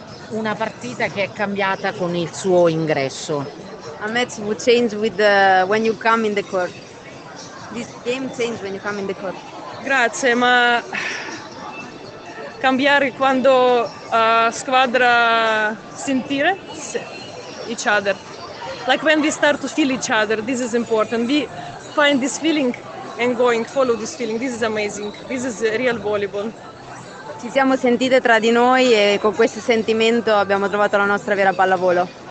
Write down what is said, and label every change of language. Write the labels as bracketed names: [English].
[Italian] Una partita che è cambiata con il suo ingresso. [English] A match will change with when you come in the court. This game change when you come in the court. [Italian] Grazie, ma cambiare quando squadra sentire? Sì. [English] Each other, like when we start to feel each other, this is important. We find this feeling and going follow this feeling. This is amazing. This is real volleyball. [Italian] Ci siamo sentite tra di noi e con questo sentimento abbiamo trovato la nostra vera pallavolo.